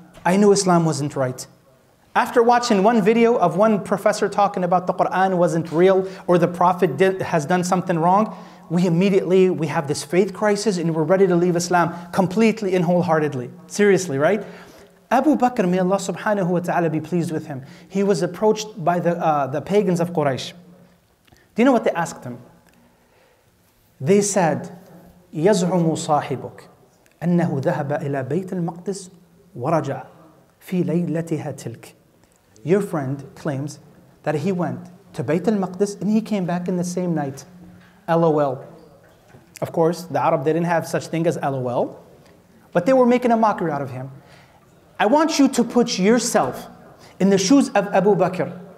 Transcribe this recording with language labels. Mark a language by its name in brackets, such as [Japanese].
[English] I knew Islam wasn't right. After watching one video of one professor talking about the Quran wasn't real or the Prophet has done something wrong, we immediately have this faith crisis and we're ready to leave Islam completely and wholeheartedly. Seriously, right? Abu Bakr, may Allah subhanahu wa ta'ala be pleased with him. He was approached by the pagans of Quraysh. Do you know what they asked him? They said, [Arabic] يَزْعُمُ صَاحِبُكَ أَنَّهُ ذَهَبَ إِلَى بَيْتِ الْمَقْدِسِ وَرَجَعَ فِي لَيْلَتِهَا تِلْكِ. [English] Your friend claims that he went to Bayt al-Maqdis and he came back in the same night. LOL. Of course, the Arab, they didn't have such thing as LOL. But they were making a mockery out of him. I want you to put yourself in the shoes of Abu Bakr.